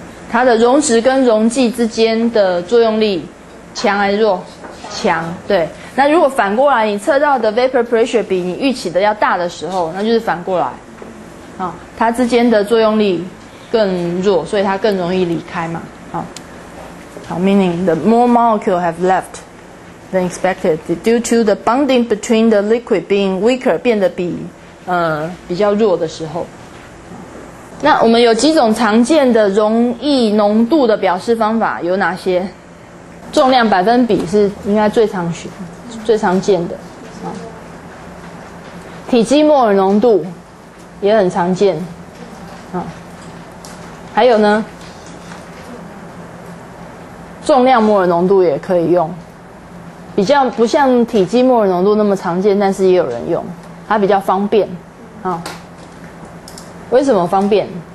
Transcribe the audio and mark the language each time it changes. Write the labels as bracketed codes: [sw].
[zh] 它的溶质跟溶剂之间的作用力强还是弱？强。对，那如果反过来你测到的 vapor pressure 比你预期的要大的时候，那就是反过来啊，它之间的作用力更弱，所以它更容易离开嘛。 [en] 好 meaning the more molecule have left than expected due to the bonding between the liquid being weaker [zh] 变得比较弱的时候。那我们有几种常见的溶液浓度的表示方法，有哪些？重量百分比是应该最常学最常见的啊，体积摩尔浓度也很常见啊，还有呢，重量摩尔浓度也可以用，比较不像体积摩尔浓度那么常见，但是也有人用，它比较方便啊。为什么方便？